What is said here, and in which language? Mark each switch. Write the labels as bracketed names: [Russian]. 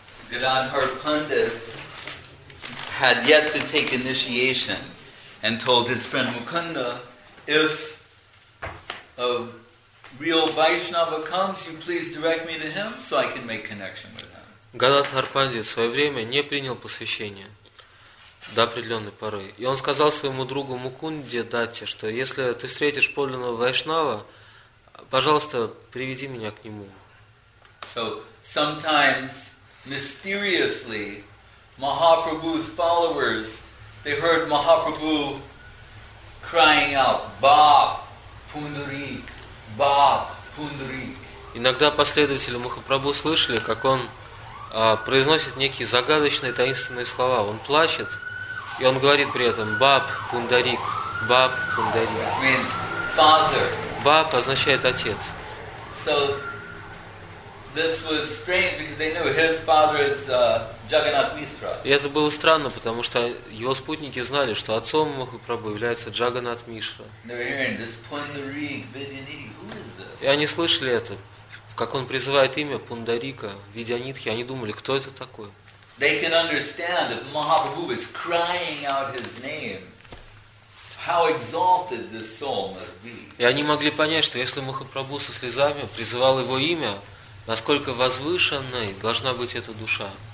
[English] Gadadhar Pandit had yet to take initiation and told his friend Mukunda, if a real Vaishnava comes, you please direct me to him so I can make connection with him. [Russian] Gadadhar Pandit в свое время не принял посвящение до определенной поры. И он сказал своему другу Мукунде Датте, что если ты встретишь подлинного Вайшнава, пожалуйста, приведи меня к нему. [English] So sometimes mysteriously, Mahaprabhu's followers, they heard Mahaprabhu crying out, Bab Pundarik, Bab Pundarik. [Russian] Иногда последователи Махапрабху слышали, как он произносит некие загадочные таинственные слова. Он плачет, и он говорит при этом, Bab Pundarik, Bab Pundarik. [English] Which means father. [Russian] Bab означает отец. [English] So this was strange because they knew his father is Jagannath Mitra. [Russian] И это было странно, потому что его спутники знали, что отцом Махапрабху является Джаганат Мишра. И они слышали это, как он призывает имя Пундарика, Видянитхи. Они думали, кто это такой? [English] They can understand if Mahaprabhu is crying out his name, how exalted this soul must be. [Russian] И они могли понять, что если Махапрабху со слезами призывал его имя, насколько возвышенной должна быть эта душа.